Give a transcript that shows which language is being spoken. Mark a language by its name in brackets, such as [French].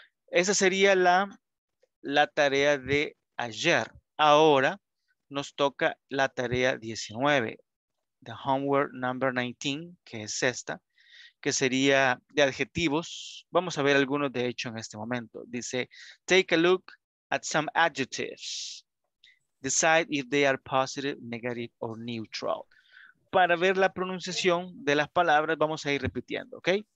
[Spanish] Esa sería la tarea de ayer. Ahora nos toca la tarea 19, [English] the homework number 19, [Spanish] que es esta, que sería de adjetivos. Vamos a ver algunos de hecho en este momento. Dice, [English] take a look at some adjectives. Decide if they are positive, negative, or neutral. [Spanish] Para ver la pronunciación de las palabras, vamos a ir repitiendo, ¿ok?